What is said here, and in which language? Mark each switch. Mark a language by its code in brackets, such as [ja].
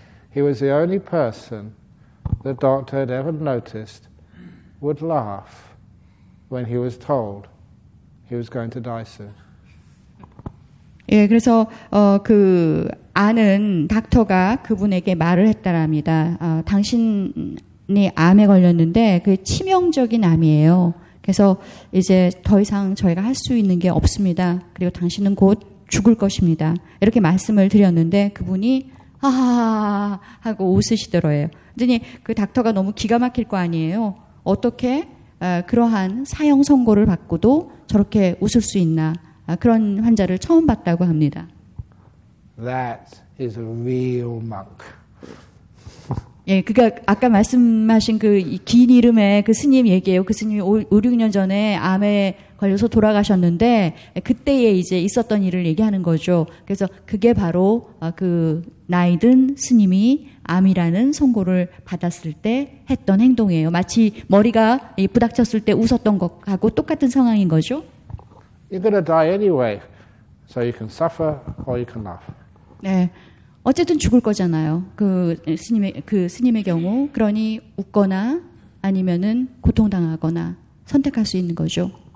[en] He was the only person the doctor had ever noticed would laugh when he was told he was going to die soon. [ko] 예, 그래서 그 아는 닥터가 그분에게 말을 했다랍니다. 당신이 암에 걸렸는데 그 치명적인 암이에요. 그래서 이제 더 이상 저희가 할 수 있는 게 없습니다. 그리고 당신은 곧 죽을 것입니다. 이렇게 말씀을 드렸는데 그분이 하고 웃으시더라고요. 그러니 그 닥터가 너무 기가 막힐 거 아니에요. 어떻게 그러한 사형 선고를 받고도 저렇게 웃을 수 있나 그런 환자를 처음 봤다고 합니다. [en] That is a real monk. [ko] 예, 그가 아까 말씀하신 그 긴 이름의 그 스님 얘기예요. 그 스님이 5-6년 전에 암에 걸려서 돌아가셨는데 그때에 이제 있었던 일을 얘기하는 거죠. 그래서 그게 바로 그 나이든 스님이 암이라는 선고를 받았을 때 했던 행동이에요. 마치 머리가 부닥쳤을 때 웃었던 것하고 똑같은 상황인 거죠. [en] You're gonna die anyway, so you can suffer or you can laugh. [ko] 네. 어쨌든 죽을 거잖아요. 그 스님의 경우 그러니 웃거나 아니면은 고통당하거나 선택할 수 있는 거죠.